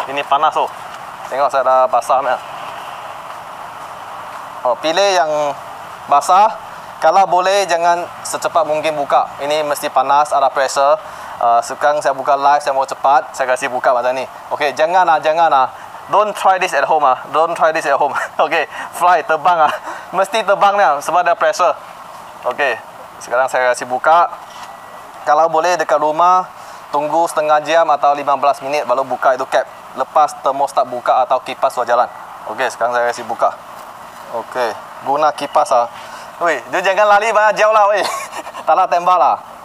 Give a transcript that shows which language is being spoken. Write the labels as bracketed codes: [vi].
[ms] Ini panas tu, tengok saya dah basah ni. Oh, pilih yang basah. Kalau boleh jangan secepat mungkin buka, ini mesti panas, ada pressure. Sekarang saya buka live, saya mau cepat, saya kasih buka macam ni. Ok, jangan lah, jangan lah. [en] Don't try this at home lah, don't try this at home. [ms] Ok, fly, terbang lah. Mesti terbang ni sebab ada pressure. Ok, sekarang saya kasih buka. Kalau boleh dekat rumah, tunggu setengah jam atau 15 minit baru buka itu cap. Lepas termostat buka atau kipas sudah jalan. Ok, sekarang saya kasih buka. Ok, guna kipas lah. Weh, dia jangan lari banyak jauh lah weh. Tak nak tembak lah.